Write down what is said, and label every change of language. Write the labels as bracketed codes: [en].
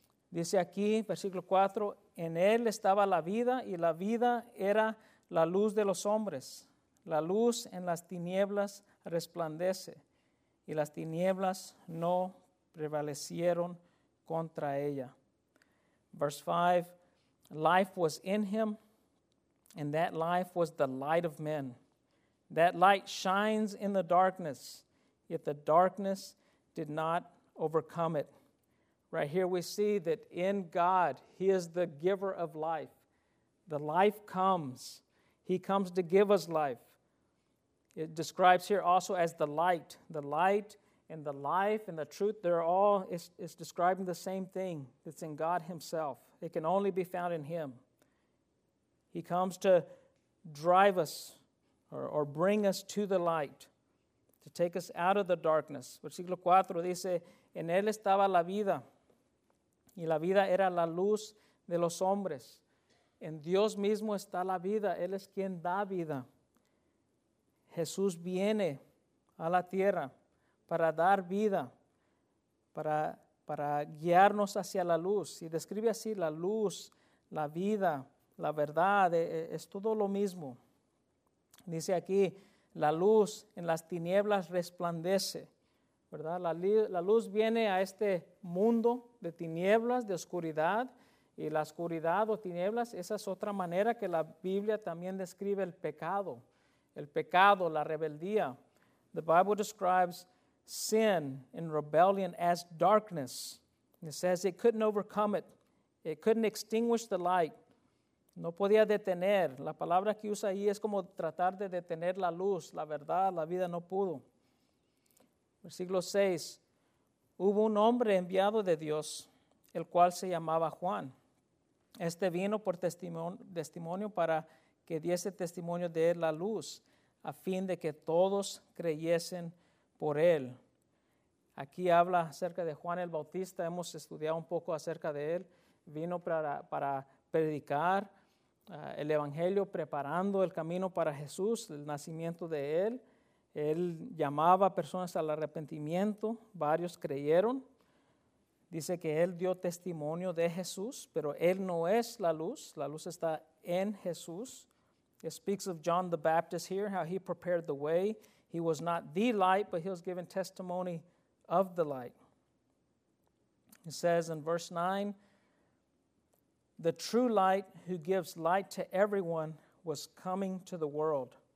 [es] Dice aquí, versículo 4, en él estaba la vida y la vida era la luz de los hombres. La luz en las tinieblas resplandece y las tinieblas no prevalecieron contra ella. [en] Verse 5, life was in him and that life was the light of men. That light shines in the darkness, yet the darkness did not overcome it. Right here we see that in God, he is the giver of life. The life comes. He comes to give us life. It describes here also as the light and the life and the truth. They're all, it's describing the same thing that's in God himself. It can only be found in him. He comes to drive us or bring us to the light, to take us out of the darkness. [es] Versículo 4 dice, en él estaba la vida, y la vida era la luz de los hombres. En Dios mismo está la vida, él es quien da vida. Jesús viene a la tierra para dar vida, para guiarnos hacia la luz. Y describe así la luz, la vida, la verdad, es todo lo mismo. Dice aquí, la luz en las tinieblas resplandece, ¿verdad? La luz viene a este mundo de tinieblas, de oscuridad, y la oscuridad o tinieblas, esa es otra manera que la Biblia también describe el pecado. El pecado, la rebeldía. [en] The Bible describes sin and rebellion as darkness. It says it couldn't overcome it. It couldn't extinguish the light. [es] No podía detener. La palabra que usa ahí es como tratar de detener la luz, la verdad, la vida no pudo. Versículo 6. Hubo un hombre enviado de Dios, el cual se llamaba Juan. Este vino por testimonio para que diese testimonio de la luz, a fin de que todos creyesen por él. Aquí habla acerca de Juan el Bautista, hemos estudiado un poco acerca de él. Vino para predicar el evangelio, preparando el camino para Jesús, el nacimiento de él. Él llamaba a personas al arrepentimiento, varios creyeron. Dice que él dio testimonio de Jesús, pero él no es la luz está en Jesús. [en] It speaks of John the Baptist here, how he prepared the way. He was not the light, but he was given testimony of the light. It says in verse 9, the true light who gives light to everyone was coming to the world.